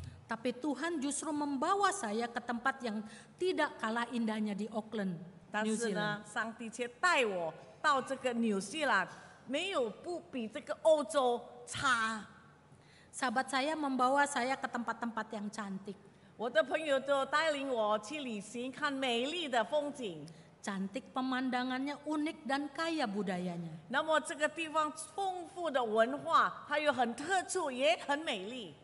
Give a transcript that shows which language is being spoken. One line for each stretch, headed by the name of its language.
Indonesian: Tapi Tuhan justru membawa saya ke tempat yang tidak kalah indahnya di Auckland, New Zealand.
Chinese: 但是呢，上帝却带我到这个纽西兰。没有不比这个欧洲差。
Indonesian: Sahabat saya membawa saya ke tempat-tempat yang cantik.
Chinese: 我的朋友就带领我去旅行，看美丽的风景。
Indonesian: Cantik pemandangannya, unik dan kaya budayanya.
Chinese: 那么这个地方丰富的文化，还有很特殊，也很美丽。